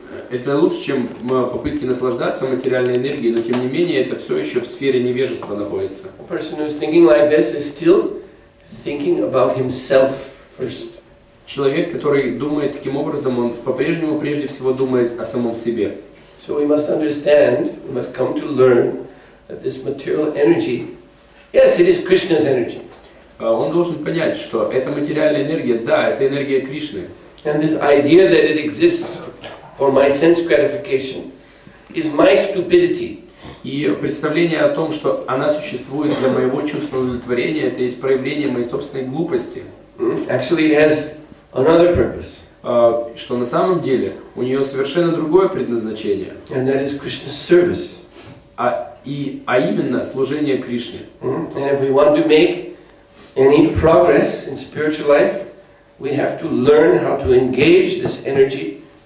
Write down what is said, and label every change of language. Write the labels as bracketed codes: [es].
[ru] Это лучше, чем попытки наслаждаться материальной энергией, но тем не менее это все еще в сфере невежества находится. [en] A person who is thinking like this is still thinking about himself first. [ru] Человек, который думает таким образом, он по-прежнему прежде всего думает о самом себе. [en] So we must understand, we must come to learn that this material energy, yes, it is Krishna's energy. [ru] Он должен понять, что эта материальная энергия, да, это энергия Кришны. [en] And this idea that it exists for my sense gratification is my stupidity. [ru] И представление о том, что она существует для моего чувственного удовлетворения, это есть проявление моей собственной глупости. [en] Actually, it has another purpose. [ru] Что на самом деле у нее совершенно другое предназначение. [en] And that is Krishna's service. [ru] А именно служение Кришне. [en] And if we want to make any progress in spiritual life, we have to learn how to engage this energy.